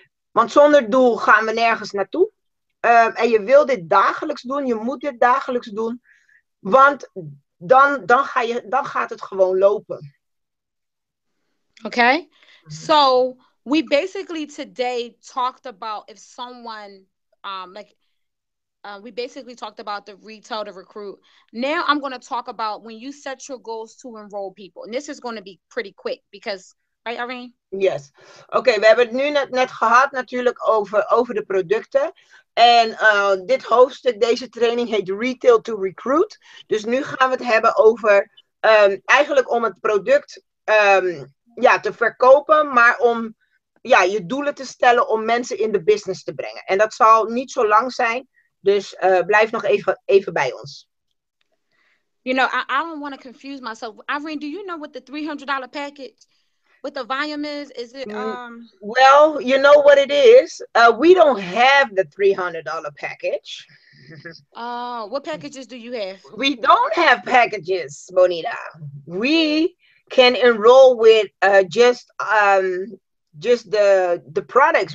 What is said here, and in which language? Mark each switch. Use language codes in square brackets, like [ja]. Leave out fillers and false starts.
[nl] Want zonder doel gaan we nergens naartoe. En je wil dit dagelijks doen, je moet dit dagelijks doen. Want dan gaat het gewoon lopen. Oké, okay. [en] So we basically today talked about if someone, we basically talked about the retail to recruit. Now I'm going to talk about when you set your goals to enroll people. And this is going to be pretty quick because, right, Irene? Yes. [nl] Okay, we hebben het nu net gehad natuurlijk over de producten. En dit hoofdstuk, deze training heet Retail to Recruit. Dus nu gaan we het hebben over eigenlijk om het product te verkopen, maar om... Ja, je doelen te stellen om mensen in de business te brengen. En dat zal niet zo lang zijn. Dus blijf nog even bij ons. [en] You know, I don't want to confuse myself. Irene, do you know what the $300 package with the volume is? Is it... Well, you know what it is. We don't have the $300 package. What packages do you have? We don't have packages, Bonita. We can enroll with just the products.